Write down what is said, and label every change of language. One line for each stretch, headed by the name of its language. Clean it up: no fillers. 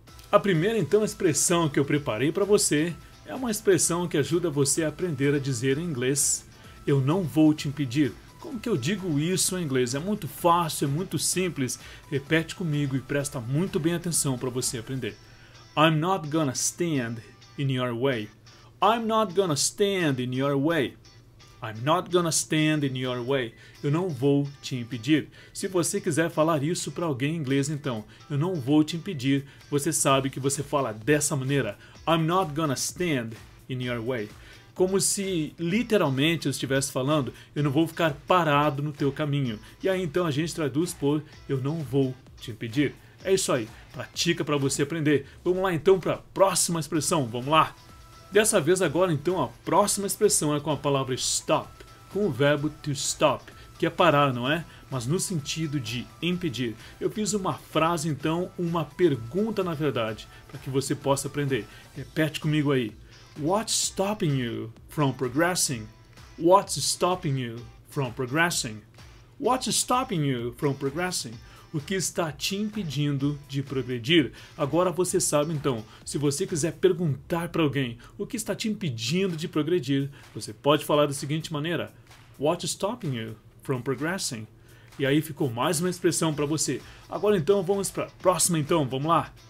Portuguese: A primeira, então, expressão que eu preparei para você é uma expressão que ajuda você a aprender a dizer em inglês eu não vou te impedir. Como que eu digo isso em inglês? É muito fácil, é muito simples. Repete comigo e presta muito bem atenção para você aprender.
English: I'm not gonna stand in your way. I'm not gonna stand in your way. I'm not gonna stand in your way.
Portuguese: Eu não vou te impedir. Se você quiser falar isso para alguém em inglês, então, eu não vou te impedir. Você sabe que você fala dessa maneira.
English: I'm not gonna stand in your way.
Portuguese: Como se literalmente eu estivesse falando, eu não vou ficar parado no teu caminho. E aí então a gente traduz por eu não vou te impedir. É isso aí, pratica para você aprender. Vamos lá então para a próxima expressão, vamos lá. Dessa vez agora então a próxima expressão é com a palavra stop, com o verbo to stop, que é parar, não é? Mas no sentido de impedir. Eu fiz uma frase então, uma pergunta na verdade, para que você possa aprender. Repete comigo aí.
English: What's stopping you from progressing? What's stopping you from progressing? What's stopping you from progressing?
Portuguese: O que está te impedindo de progredir? Agora você sabe então, se você quiser perguntar para alguém o que está te impedindo de progredir, você pode falar da seguinte maneira:
English: What's stopping you from progressing?
Portuguese: E aí ficou mais uma expressão para você. Agora então vamos para a próxima então, vamos lá.